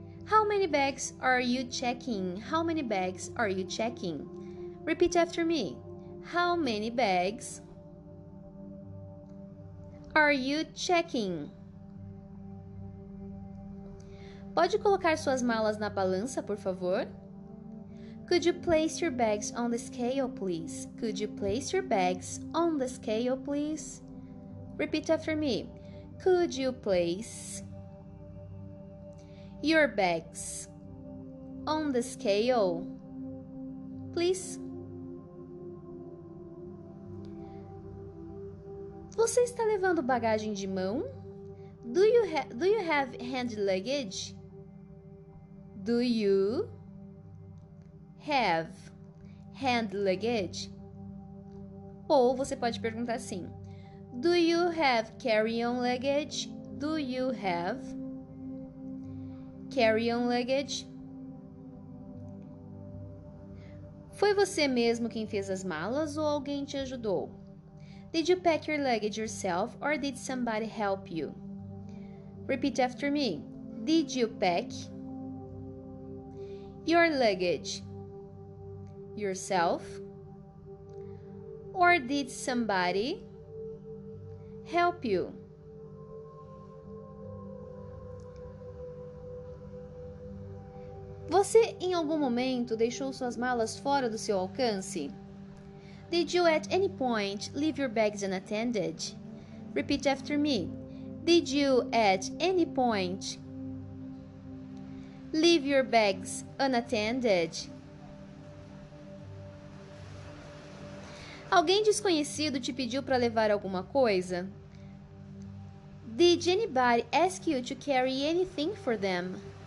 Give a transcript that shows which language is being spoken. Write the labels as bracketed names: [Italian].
[English] How many bags are you checking? How many bags are you checking? Repeat after me. How many bags are you checking? [Portuguese] Pode colocar suas malas na balança, por favor? [English] Could you place your bags on the scale, please? Could you place your bags on the scale, please? Repeat after me. Could you place your bags on the scale, please? [Portuguese] Você está levando bagagem de mão? [English] Do you have hand luggage? Do you have hand luggage? [Portuguese] Ou você pode perguntar assim: [English] Do you have carry-on luggage? Do you have carry-on luggage? [Portuguese] Foi você mesmo quem fez as malas ou alguém te ajudou? [English] Did you pack your luggage yourself or did somebody help you? Repeat after me. Did you pack your luggage yourself, or did somebody help you? [Portuguese] Você em algum momento deixou suas malas fora do seu alcance? [English] Did you at any point leave your bags unattended? Repeat after me. Did you at any point leave your bags unattended? [Portuguese] Alguém desconhecido te pediu para levar alguma coisa? [English] Did anybody ask you to carry anything for them?